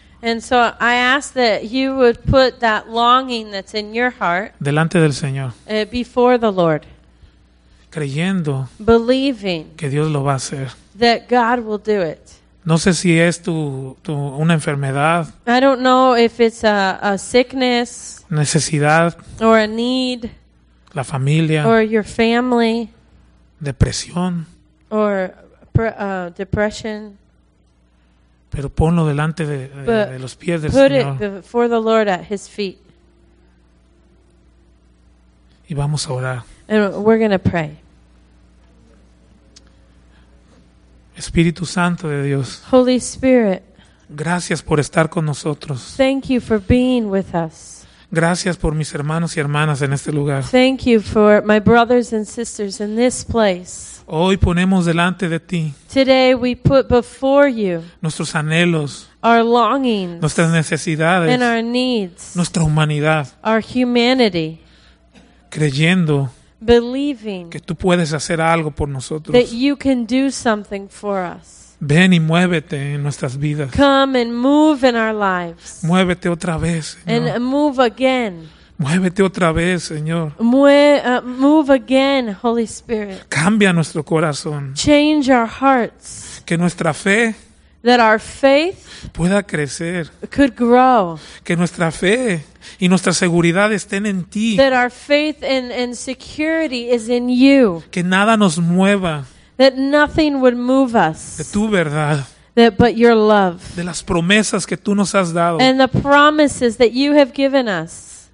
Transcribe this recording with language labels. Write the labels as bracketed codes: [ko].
[en] And so I ask that you would put that longing that's in your heart. [es] Delante del Señor. [en] Before the Lord. [es] Creyendo. [en] Believing. [es] Que Dios lo va a hacer. [en] That God will do it. [es] No sé si es tu una enfermedad. [en] I don't know if it's a sickness. [es] Necesidad. [en] Or a need. [es] La familia. [en] Or your family. [es] Depresión. [en] Or depression. [es] Pero ponlo delante de los pies del [en] put [es] Señor. [en] Put it before the Lord at his feet. [es] Y vamos a orar. [en] And we're going to pray. [es] Espíritu Santo de Dios. [en] Holy Spirit. [es] Gracias por estar con nosotros. [en] Thank you for being with us. [es] Gracias por mis hermanos y hermanas en este lugar. [en] Thank you for my brothers and sisters in this place. [es] Hoy ponemos delante de ti. [en] Today we put before you. [es] Nuestros anhelos. [en] Our longings. [es] Nuestras necesidades. [en] And our needs. [es] Nuestra humanidad. [en] Our humanity. [es] Creyendo. [en] Believing [es] que tú puedes hacer algo por nosotros. [en] That you can do something for us. [es] Ven y muévete en nuestras vidas. [en] Come and move in our lives. [es] Muévete otra vez, Señor. [en] And move again. [es] Muévete otra vez, Señor. [en] Move again, Holy Spirit. [es] Cambia nuestro corazón. [en] Change our hearts. [es] que nuestra fe [en] that our faith [es] pueda crecer, [en] could grow, [es] que nuestra fe y nuestra seguridad estén en ti, [en] that our faith and security is in you, [es] que nada nos mueva, [en] that nothing would move us, [es] de tu verdad, [en] that but your love, [es] de las promesas que tú nos has dado, [en] and the promises that you have given us.